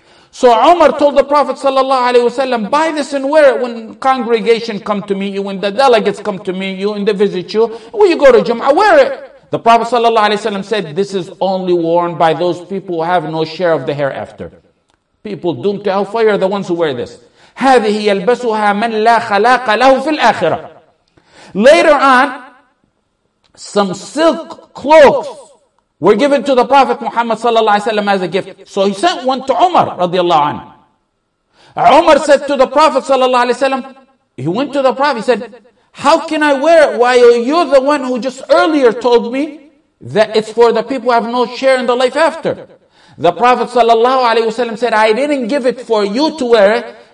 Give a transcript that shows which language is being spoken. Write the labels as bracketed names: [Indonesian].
[English] So Umar told the Prophet ﷺ, buy this and wear it when congregation come to meet you, when the delegates come to meet you and they visit you. When you go to Jum'ah, wear it. The Prophet ﷺ said, this is only worn by those people who have no share of the hereafter. People doomed to hellfire are the ones who wear this. [Arabic] هذه يلبسها من لا خلاق له في الآخرة. [English] Later on, some silk cloaks were given to the Prophet Muhammad sallallahu alaihi wasallam as a gift. So he sent one to Umar radiallahu anhu. Umar said to the Prophet sallallahu alaihi wasallam, he went to the Prophet, he said, how can I wear it while you're the one who just earlier told me that it's for the people who have no share in the life after? The Prophet ﷺ said, I didn't give it for you to wear it,